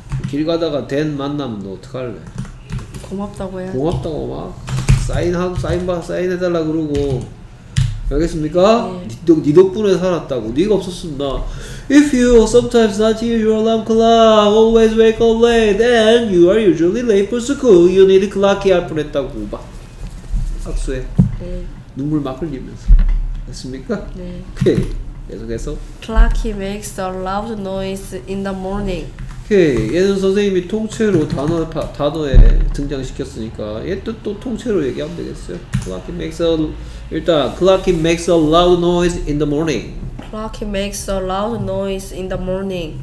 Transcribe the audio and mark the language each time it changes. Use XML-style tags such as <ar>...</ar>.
<ko>길 가다가 댄 만나면 너 어떡할래? 고맙다고 해야 고맙다고 막 사인하고 사인 해달라 그러고 알겠습니까? 네. 네 덕분에 살았다고. 네가 없었으면 나</ko> <en>If you sometimes not hear your alarm clock always wake up late then you are usually late for school you need a clocky</en> <ko>할 뻔했다고 막 악수해. 네. 눈물 막 흘리면서 됐습니까? 네. 오케이. 계속해서</ko> <en>Clocky makes a loud noise in the morning.</en> <ko>오케이. 얘는 선생님이 통째로 단어에 등장시켰으니까 얘도 또 통째로 얘기하면 되겠어요.</ko> <en>Clocky makes a</en> <ko>일단</ko> <en>Clocky makes a loud noise in the morning. Clocky makes a loud noise in the morning.</en>